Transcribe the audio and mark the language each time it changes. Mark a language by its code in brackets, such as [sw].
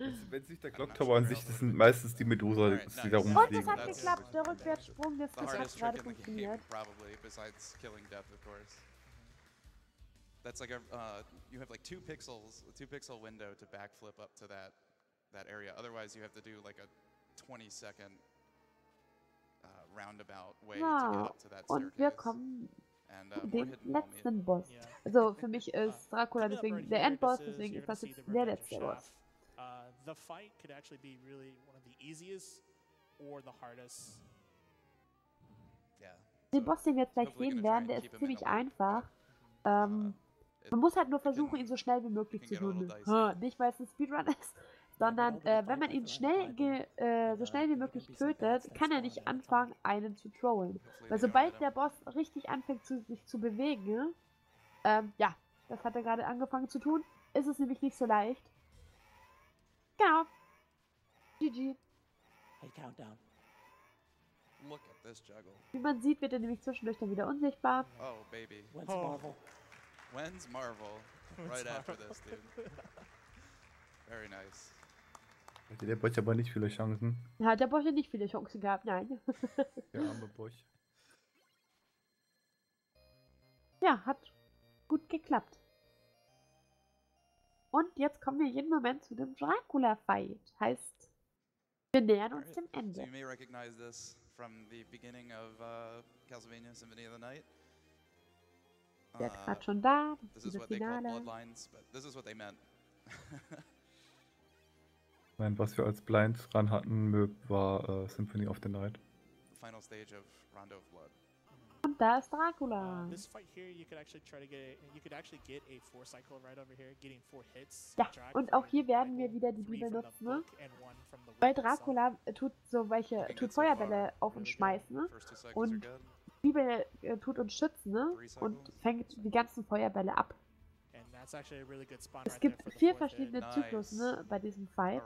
[de] Wenn sich der Clock Tower an sich, das sind meistens die Medusa, die da rumfliegen. Und es hat geklappt, der Rückwärtssprung, das hat gerade funktioniert. [en] Probably, besides killing death, of course. That's like a, you have like two pixel window to backflip up to that area. Otherwise you have to do like a 20 second roundabout way to get up to that staircase. [de] Und wir kommen den letzten Boss. Also für mich ist Dracula deswegen der Endboss, deswegen ist das jetzt der letzte Boss. [en] The fight could actually be really one of the easiest or the hardest. [de] Den Boss, den wir jetzt gleich sehen werden, der ist ziemlich einfach. Man muss halt nur versuchen, ihn so schnell wie möglich zu tun. Nicht, weil es ein Speedrun ist, sondern wenn man ihn so schnell wie möglich tötet, kann er nicht anfangen, einen zu trollen. Weil sobald der Boss richtig anfängt, sich zu bewegen, ja, das hat er gerade angefangen zu tun, ist es nämlich nicht so leicht. Genau. GG. [en] Hey, Countdown. Look at this juggle. [de] Wie man sieht, wird er nämlich zwischendurch dann wieder unsichtbar. [en] Oh, Baby. When's Marvel? When's Marvel? Right after this, dude. Very nice. [de] Hatte der Bosch aber nicht viele Chancen. Hat der Bosch nicht viele Chancen gehabt, nein. Der arme Bosch. Ja, hat gut geklappt. Und jetzt kommen wir jeden Moment zu dem Dracula-Fight. Heißt, wir nähern uns dem Ende. [en] So you may recognize this from the beginning of Castlevania Symphony of the Night. [de] Der ist gerade schon da, das ist das Finale. [en] Bloodlines, but this is what they meant. [de] Nein, was wir als Blinds ran hatten, war Symphony of the Night. [en] The final stage of Rondo of Blood. [de] Und da ist Dracula. [en] This fight here, you could actually try to get a four cycle right over here, getting four hits. [de] Ja, und auch hier werden wir wieder die Bibel nutzen, weil Dracula tut Feuerbälle auf uns schmeißen, ne? Und Bibel tut uns schützen, ne? Und fängt die ganzen Feuerbälle ab. [en] That's actually a really good spot. [de] Es gibt vier verschiedene Zyklus, ne, bei diesem Fight.